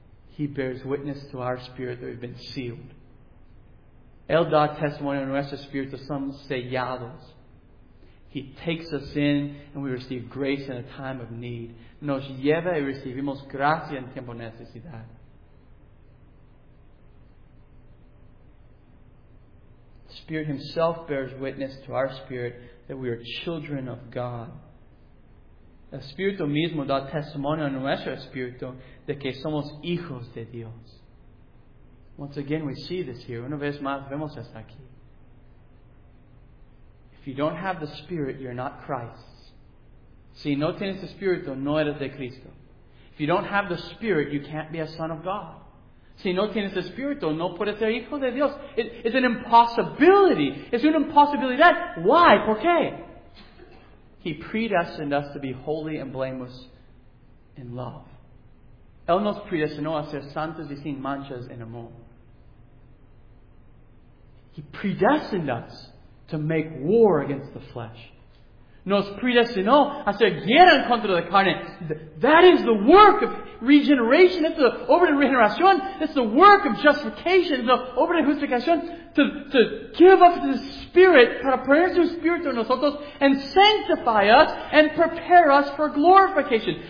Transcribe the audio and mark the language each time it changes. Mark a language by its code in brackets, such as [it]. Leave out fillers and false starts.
[en] He bears witness to our spirit that we've been sealed. [es] Él da testimonio a nuestro espíritu, son sellados. [en] He takes us in and we receive grace in a time of need. [es] Nos lleva y recibimos gracia en tiempo de necesidad. [en] The Spirit himself bears witness to our spirit that we are children of God. [es] El Espíritu mismo da testimonio a nuestro espíritu de que somos hijos de Dios. [en] Once again, we see this here. [es] Una vez más, vemos esto aquí. [en] If you don't have the Spirit, you're not Christ. [es] Si no tienes el Espíritu, no eres de Cristo. [en] If you don't have the Spirit, you can't be a son of God. [es] Si no tienes el Espíritu, no puedes ser hijo de Dios. [en] It's an impossibility. It's an impossibility. Why? [es] ¿Por qué? [en] He predestined us to be holy and blameless in love. [es] Él nos predestinó a ser santos y sin manchas en amor. [en] He predestined us to make war against the flesh. [es] Nos predestinó a ser guerra contra la carne. [en] That is the work of regeneration. It's the [es] obra de regeneración. [en] It's the work of justification. It's the [es] obra de justificación. [en] To give up the Spirit, [es] para poner su Espíritu en nosotros, [en] and sanctify us, and prepare us for glorification.